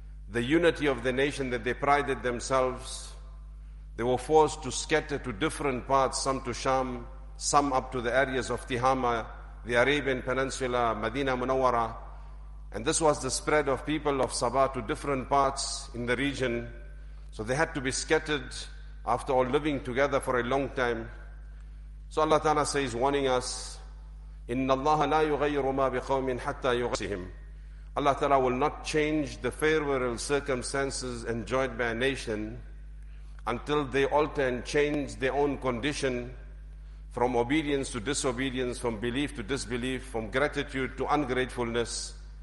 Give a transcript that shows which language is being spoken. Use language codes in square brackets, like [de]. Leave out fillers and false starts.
[en] The unity of the nation that they prided themselves, they were forced to scatter to different parts, some to Sham, some up to the areas of Tihama, the Arabian Peninsula, Medina Munawwara. And this was the spread of people of Sabah to different parts in the region. So they had to be scattered after all living together for a long time. So Allah Ta'ala says, warning us, [ar] إِنَّ اللَّهَ لَا يُغَيِّرُ مَا بِقَوْمٍ حَتَّى يُغَيِّرُهُمْ. [en] Allah Ta'ala will not change the favorable circumstances enjoyed by a nation until they alter and change their own condition from obedience to disobedience, from belief to disbelief, from gratitude to ungratefulness.